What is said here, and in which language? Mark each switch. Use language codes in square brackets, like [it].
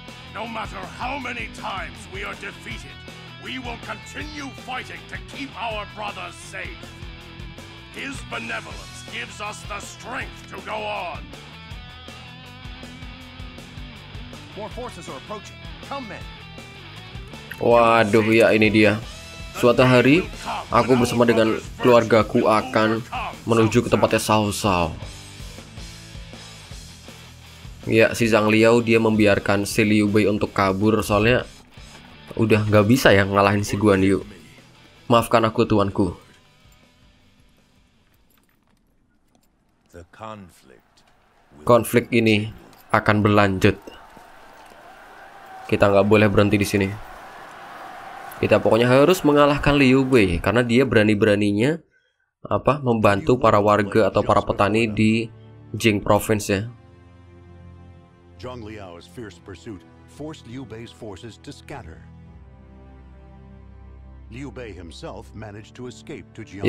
[en] No matter how many times we are defeated, we will continue fighting to keep our brothers safe. His benevolence gives us the strength to go on. More forces are approaching. Come men. [id] Waduh, ya ini dia. Suatu hari, aku bersama dengan keluargaku akan menuju ke tempatnya Cao Cao. Ya, si Zhang Liao dia membiarkan si Liu Bei untuk kabur soalnya udah nggak bisa ya ngalahin si Guan Yu. Maafkan aku tuanku. Konflik ini akan berlanjut. Kita nggak boleh berhenti di sini. Kita pokoknya harus mengalahkan Liu Bei karena dia berani-beraninya membantu para warga atau para petani di Jing Province ya. [en] Zhang Liao's fierce pursuit forced Liu Bei's forces to scatter. Liu Bei himself managed to escape to Jiangxia.